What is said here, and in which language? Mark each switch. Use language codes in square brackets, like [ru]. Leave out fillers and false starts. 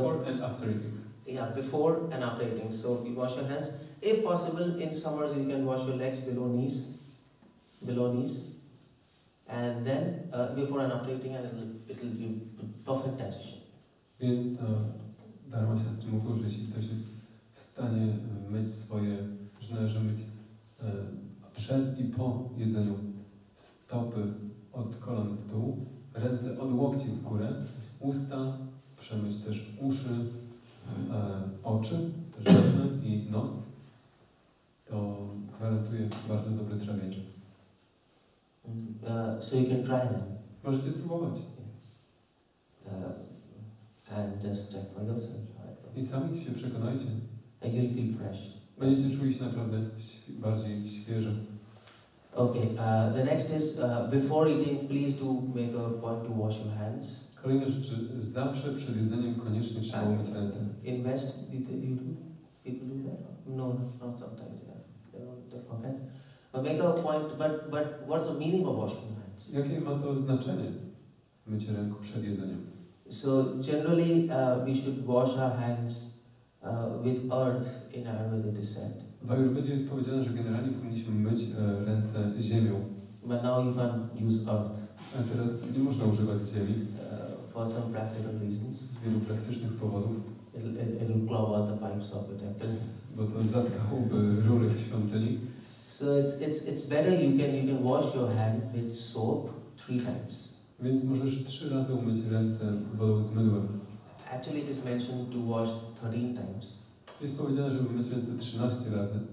[en] Before and after eating. Yeah, before and after eating, so you wash your hands. If possible, in summers you can wash your legs below knees, and then before and after eating, and it'll be perfect digestion. [pl] Więc darma się z tym mówił, że jeśli ktoś jest w stanie myć swoje, że należy myć przed i po jedzeniu stopy od kolan w dół, ręce od łokci w górę, usta, przemyć też uszy, oczy, też ręce i nos. To gwarantuje bardzo dobre trawienie. [en] So you can try it. [pl] Możecie spróbować. [en] And just check for yourself. [pl] I sami się przekonajcie. [en] And you'll feel fresh. [pl] Będziecie czuli się naprawdę bardziej świeżo. [en] Okay, the next is, before eating, please do make a point to wash your hands. [pl] Kolejna rzecz, zawsze przed jedzeniem koniecznie trzeba umyć ręce. [en] In West, did you do that? People do that? No, not sometimes. Okay. But make a point, but what's the meaning of washing your hands? [pl] Jakie ma to znaczenie, mycie ręk przed jedzeniem? [en] So generally we should wash our hands with earth in Ayurveda, it is said. [pl] W Ayurvedzie jest powiedziane, że generalnie powinniśmy myć ręce ziemią. [en] But now you can use earth. [pl] A teraz nie można używać ziemi. [en] For some practical reasons. [pl] Z wielu praktycznych powodów. [en] It'll clog all the pipes of the temple. [pl] Bo to zatkałby rury w świątyni. [en] So it's better you can wash your hand with soap 3 times. [pl] Więc możesz 3 razy umyć ręce wodą z mydłem. [en] Actually it is mentioned to wash 13 times. [pl] Jest powiedziane, żeby umyć ręce 13 razy.